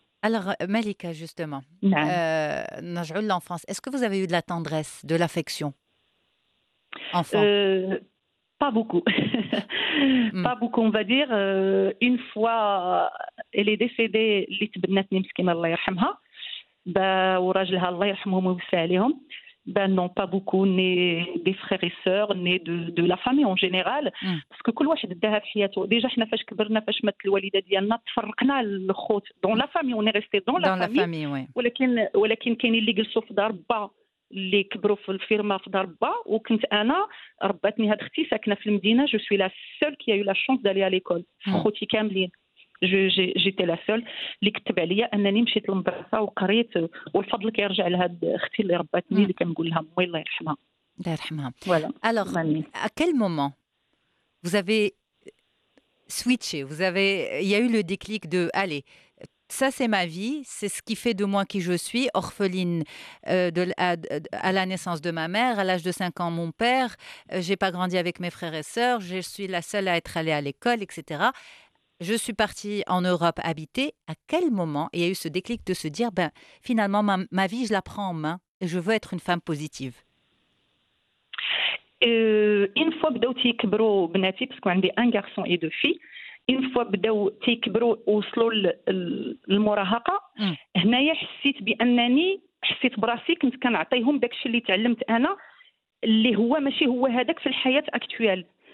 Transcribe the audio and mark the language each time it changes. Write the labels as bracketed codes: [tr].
[fr] Alors Malika justement, [ar] نرجعوا للانفانس, [fr] est-ce que vous avez eu de la tendresse, de l'affection enfant? Pas beaucoup. Pas beaucoup on va dire. Une fois elle est décédée [ar] اللي تبناتني مسكينه الله يرحمها با وراجلها الله يرحمهم ويوسع عليهم. [fr] Ben non, pas beaucoup, né des frères et sœurs, né de la famille en général. Parce que [ar] كل واحد داها في حياته. [fr] Déjà, [ar] حنا فاش كبرنا فاش مات الوالدة ديالنا تفرقنا الخوت. [fr] Dans la famille, on est resté dans la famille. Dans la famille, oui. [ar] ولكن كاين اللي جلسوا في دار با, اللي كبروا في الفيرما في دار با, وكنت أنا رباتني هاد اختي ساكنة في المدينة. [fr] Je suis la seule qui a eu la chance d'aller à l'école. [ar] خوتي كاملين. [fr] J'étais la seule. [ar] اللي كتب عليا انني مشيت للمدرسه وقريت والفضل كيرجع لهاد اختي اللي رباتني اللي كنقول لها امي الله يرحمها. الله يرحمها. [fr] فوالا. Alors, à quel moment vous avez switché, il y a eu le déclic de allez, ça, c'est ma vie, c'est ce qui fait de moi qui je suis, orpheline à la naissance de ma mère, à l'âge de 5 ans, mon père, je n'ai pas grandi avec mes frères et sœurs, je suis la seule à être allée à l'école, etc. Je suis partie en Europe habiter. À quel moment il y a eu ce déclic de se dire, ben, finalement, ma vie, je la prends en main et je veux être une femme positive. Une fois que j'ai eu un petit peu, parce qu'on a un garçon et deux filles, une fois [ar] بداو تيكبروا وصلوا للمراهقه هنايا حسيت بانني حسيت براسي كنت كنعطيهم داكشي اللي تعلمت انا اللي هو ماشي هو هذاك في الحياه اكطوال